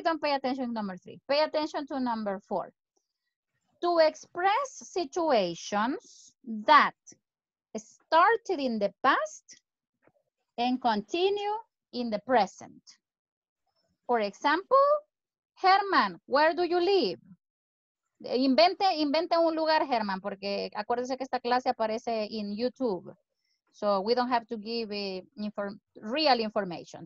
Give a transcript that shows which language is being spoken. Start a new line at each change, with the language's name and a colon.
English: Don't pay attention to number three. Pay attention to number four. To express situations that started in the past and continue in the present. For example, Herman, where do you live?
Spanish: Invente un lugar, Herman, porque acuérdese que esta clase aparece in YouTube.
English: So we don't have to give real information.